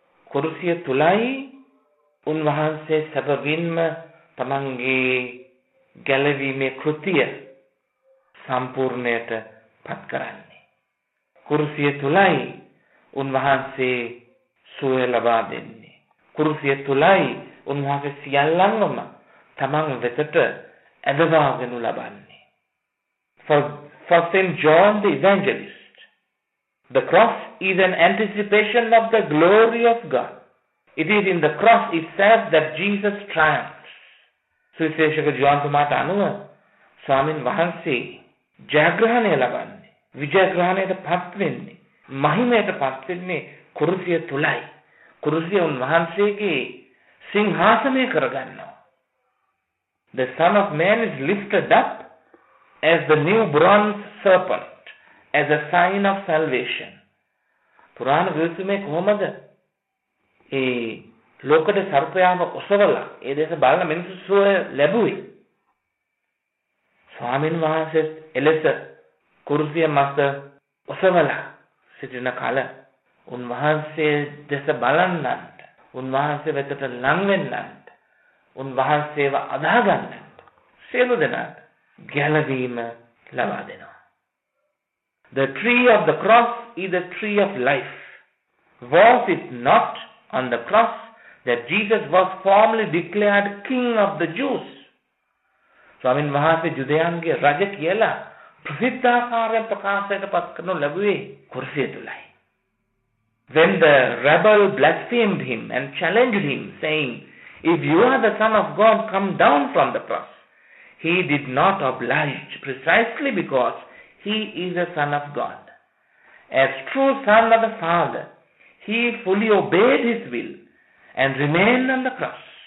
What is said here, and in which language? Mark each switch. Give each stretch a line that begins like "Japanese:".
Sinhala: කුරුසිය තුලයි උන්වහන්සේ සැබවින්ම තමන්ගේ ගැලවීමේ කෘතිය සම්පූර්ණයට පත් කරන්නේ. කුරුසිය තුලයි උන්වහන්සේ සුවය ලබා දෙන්නේ. කුරුසිය තුලයි උන්වහන්සේ සියල්ලන්ම තමන් වෙතට ඇදවාගෙන ලබන්නේ.
English: For St. John the Evangelist, the cross is an anticipation of the glory of God. It is in the cross itself that Jesus triumphs.
Sinhala: සුවිශේෂක ජුවන්තුමාට අනුව ස්වාමින් වහන්සේ ජයග්‍රහණය ලබන්නේ, විජයග්‍රහණයට පත් වෙන්නේ, මහිමයට පත් වෙන්නේ කුරුසිය තුලයි. කුරුසිය උන්වහන්සේගේ සිංහාසනය කරගන්නවා.
English: The Son of Man is lifted up as the new bronze serpent, as a sign of salvation.
Sinhala: පුරාණ ගිවිසුමේ කොහොමද ඒ ලෝකද සර්පයාම ඔසවලා ඒ දේශ බලන මිනිස්සු සුවය ලැබුවේ? ස්වාමීන් වහන්සේ එලෙස කුරුසිය මත ඔසවලා සිටින කල උන්වහන්සේ දෙස බලන්නත්, උන්වහන්සේ වෙතට ලං වෙන්නත්, උන්වහන්සේව අදහා ගන්නත් සියලු දෙනා ගැලවීම ලබා දෙනවා.
English: The tree of the cross is the tree of life. Was it not on the cross that Jesus was formally declared king of the Jews?
Sinhala: ස්වාමීන් වහන්සේ යුදයන්ගේ රජ කියලා ප්‍රසිද්ධාකාරයෙන් ප්‍රකාශයට පත් කරන ලැබුවේ කුරුසිය තුලයි.
English: When the rebel blasphemed him and challenged him, saying, "If you are the Son of God, come down from the cross," he did not oblige precisely because he is a Son of God. As true Son of the Father, he fully obeyed his will and remained on the cross.